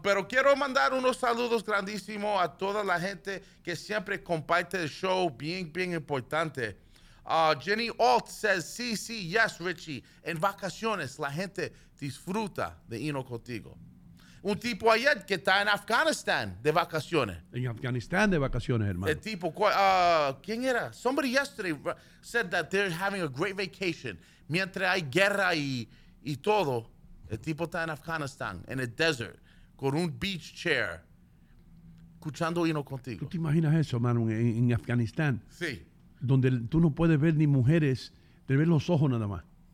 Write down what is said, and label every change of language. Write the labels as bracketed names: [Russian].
[Spanish] Pero quiero mandar unos saludos grandísimos a toda la gente que siempre comparte el show, bien, bien importante. Jenny Alt says, sí, sí, yes, Richie. En vacaciones, la gente disfruta de Ino Contigo. Un tipo ayer que está en Afganistán de vacaciones. En Afganistán de vacaciones, hermano. El tipo, ¿quién era? [English] Somebody yesterday said that they're having a great vacation. [Spanish] Mientras hay guerra y todo, el tipo está en Afganistán, en el desert, con un beach chair, escuchando Ino Contigo. ¿Tú te imaginas eso, hermano, en Afganistán? Sí. Donde tú no puedes ver ni mujeres, te ves los ojos nada más.